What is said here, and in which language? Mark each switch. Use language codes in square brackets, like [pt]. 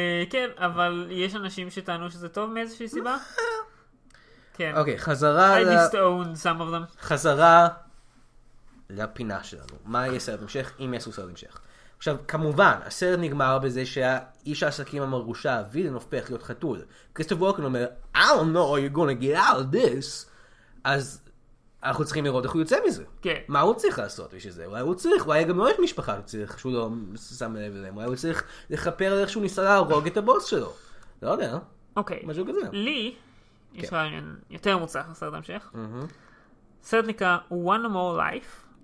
[he] כן, אבל יש אנשים שטענו שזה טוב מאיזושהי סיבה? כן. אוקיי, חזרה [en] I disowned some of them. [he] חזרה לפינה שלנו. מה יהיה סרט המשך? אם יעשו סרט המשך. עכשיו, כמובן, הסרט נגמר בזה שהאיש העסקים המרושע, וילן, הופך להיות חתול. קריסטוף ווקן אומר, [en] I don't know how you're gonna get out of this. [he] אז אנחנו צריכים לראות איך הוא יוצא מזה. כן. מה הוא צריך לעשות בשביל זה? אולי הוא צריך, אולי גם לא יש משפחה שצריך, שהוא לא שם לב אליהם. אולי הוא צריך לחפר על איך שהוא ניסה להרוג את הבוס שלו. לא יודע. אוקיי. משהו כזה. לי... יש לה עניין יותר מוצח לסרט המשך. סרט נקרא One More Life.